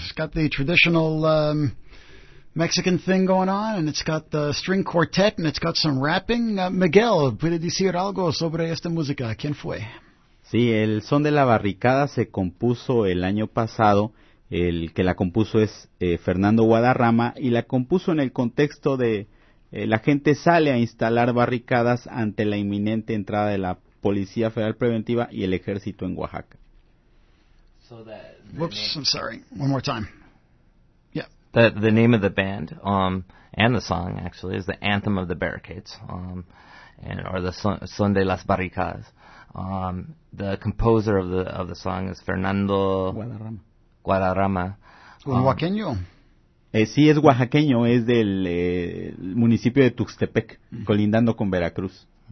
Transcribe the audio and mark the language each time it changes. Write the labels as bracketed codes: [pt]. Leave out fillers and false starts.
[en] It's got the traditional Mexican thing going on, and it's got the string quartet, and it's got some rapping. [es] Miguel, ¿puede decir algo sobre esta música? ¿Quién fue? Sí, el son de la barricada se compuso el año pasado. El que la compuso es Fernando Guadarrama, y la compuso en el contexto de la gente sale a instalar barricadas ante la inminente entrada de la Policía Federal Preventiva y el Ejército en Oaxaca. [en] The name of the band and the song actually is the Anthem of the Barricades, and or the Son de las Barricadas. The composer of the song is Fernando [es] Guadarrama. Oaxaqueño. Sí, es oaxaqueño, es del municipio de Tuxtepec, colindando con Veracruz.